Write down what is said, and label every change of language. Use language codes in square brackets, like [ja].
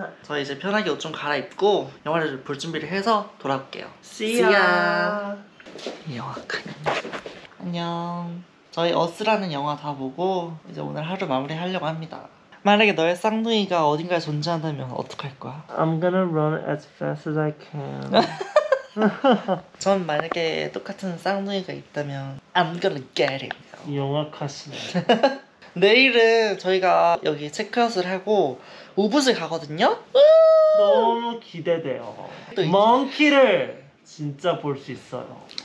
[ko] 저 이제 편하게 옷 좀 갈아입고 영화를 볼 준비를 해서 돌아올게요. [en] See ya! [ko] 영화관. 안녕. 저희 어스라는 영화 다 보고 이제 오늘 하루 마무리 하려고 합니다. 만약에 너의 쌍둥이가 어딘가에 존재한다면 어떡할 거야? [en] I'm gonna run as fast as I can. [ko] 전 만약에 똑같은 쌍둥이가 있다면 [en] I'm gonna get it. [ko] 영화관. 내일은 저희가 여기 체크아웃을 하고 우붓을 가거든요? 너무 기대돼요. 멍키를 진짜 볼 수 있어요.